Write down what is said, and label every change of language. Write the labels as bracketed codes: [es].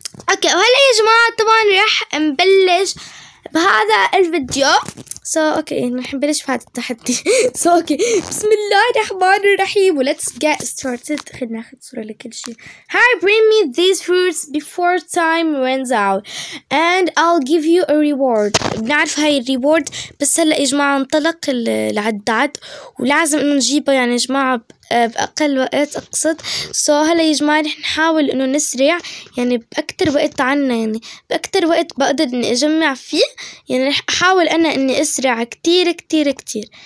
[ar] أوكي وهلا يا جماعة طبعا رح نبلش بهذا الفيديو. اوكي رح نبلش بهذا التحدي. اوكي بسم الله الرحمن الرحيم. [en] Let's get started. [ar] خلينا ناخذ صورة لكل شيء. [en] Hi, bring me these fruits before time runs out and I'll give you a reward. [ar] بنعرف هاي الريورد، بس هلا يا جماعة انطلق العداد ولازم نجيبه يعني يا جماعة بأقل وقت أقصد. هلا يا جماعة رح نحاول إنه نسرع يعني بأكتر وقت عنا، يعني بأكتر وقت بقدر إني أجمع فيه، يعني رح أحاول أنا إني أسرع كتير كتير كتير.